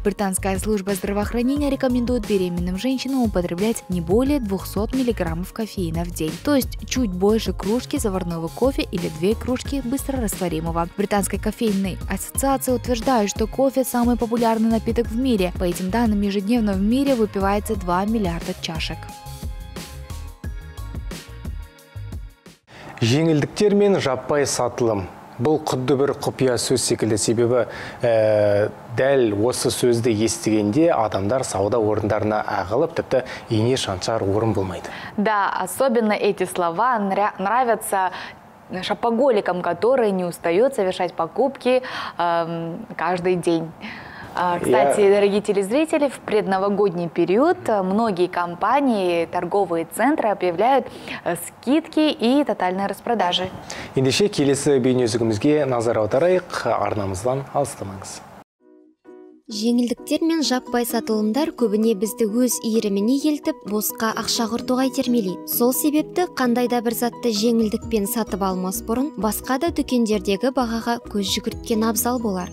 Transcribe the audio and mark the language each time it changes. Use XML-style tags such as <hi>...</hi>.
<ru>Британская служба здравоохранения рекомендует беременным женщинам употреблять не более 200 мг кофеина в день, то есть чуть больше кружки заварного кофе или 2 кружки быстрорастворимого. Британская кофейная ассоциация утверждает, что кофе – самый популярный напиток в мире. По этим данным, ежедневно в мире выпивается 2 миллиарда чашек.</ru> <kk>Жеңілдіктер мен жаппай сатылым. Бұл құдды бір құпия сөз секілді, себебі дәл осы сөзді естігенде адамдар сауда орындарына ағылып, тіпті ине шаншар орын болмайды.</kk> <ru>Да, особенно эти слова нравятся шопоголикам, которые не устают совершать покупки каждый день. Кстати, дорогие телезрители, в предновогодний период многие компании, торговые центры объявляют скидки и тотальные распродажи.</ru> <kk>Ендеше келесі бейнеөзігімізге назар аударайық, арнамыздан алыстамаңыз. Жеңілдіктер мен жаппай сатылымдар көбіне бізді өз иіріміне елтіп, босқа ақша құртуға итермелейді. Сол себепті қандай да бір затты жеңілдікпен сатып алмас бұрын, басқа да дүкендердегі бағаға көз жүгірткен абзал болар.</kk>